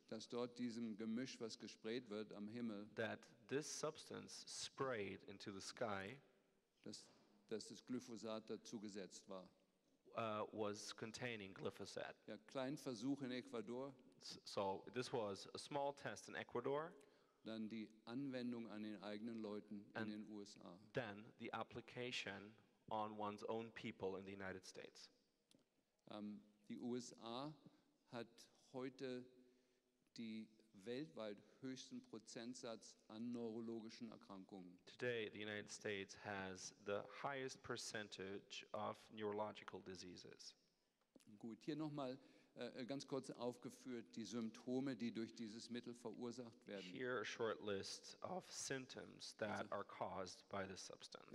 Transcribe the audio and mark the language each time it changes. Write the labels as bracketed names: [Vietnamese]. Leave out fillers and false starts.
[German] dass dort diesem Gemisch, was gesprayt wird am Himmel, [English] that this substance sprayed into the sky, [German] dass das Glyphosat dazu gesetzt war, [English] was containing glyphosate. [German] Ja, kleinen Versuch in Ecuador. [English] So this was a small test in Ecuador. [German] Dann die Anwendung an den eigenen Leuten [English] and [German] in den USA. [English] Then the application on one's own people in the United States. [German] Die USA hat heute die weltweit höchsten Prozentsatz an neurologischen Erkrankungen. [English] Today the United States has the highest percentage of neurological diseases. [German] Gut, hier nochmal ganz kurz aufgeführt die Symptome, die durch dieses Mittel verursacht werden. [English] Here a short list of symptoms that are caused by this substance.